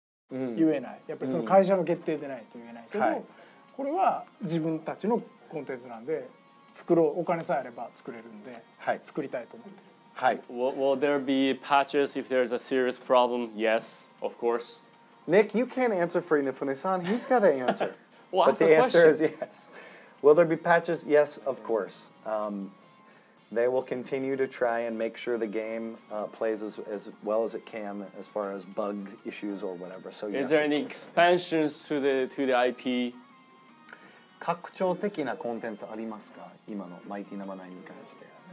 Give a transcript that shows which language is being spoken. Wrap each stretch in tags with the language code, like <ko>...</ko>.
<ja>言えない、やっぱりその会社の決定でないと言えないけど、うん、はい、これは自分たちのコンテンツなんで作ろう、お金さえあれば作れるんで、はい、作りたいと思ってる、はい、</ja> <en>Will there be patches if there's a serious problem? Yes, of course. Nick, you can't answer for Inafune-san. He's got an answer. Well, but the answer is yes. Will there be patches? Yes, of course. They will continue to try and make sure the game plays as well as it can as far as bug issues or whatever. So, is there any expansions to the IP?</en> <ja>拡張的なコンテンツありますか?今のマイティナンバー9に関して。</ja>